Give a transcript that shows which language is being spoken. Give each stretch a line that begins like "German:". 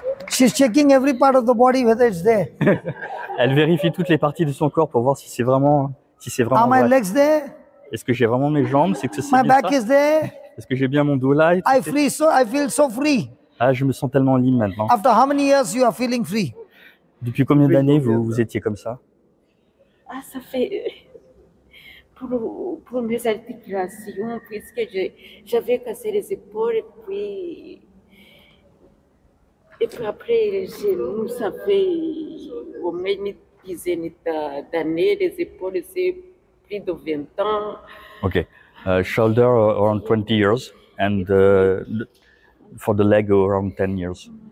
English: She's checking every part of the body whether it's there.
French: Elle vérifie toutes les parties de son corps pour voir si c'est vraiment.
English: Are my legs there?
French: Est-ce que j'ai vraiment mes jambes? C'est que c'est
English: my back is there?
French: Est-ce que j'ai bien mon dos là?
English: I feel so free.
French: Ah, je me sens tellement libre maintenant.
English: After how many years you are feeling free?
French: Depuis combien d'années vous étiez comme ça? Ah, ça fait pour mes articulations, puisque j'avais cassé les épaules et puis après les genoux, ça fait au moins une dizaine d'années, les épaules c'est plus de 20 ans.
English: Ok. Shoulder around 20 years, and for the leg around 10 years.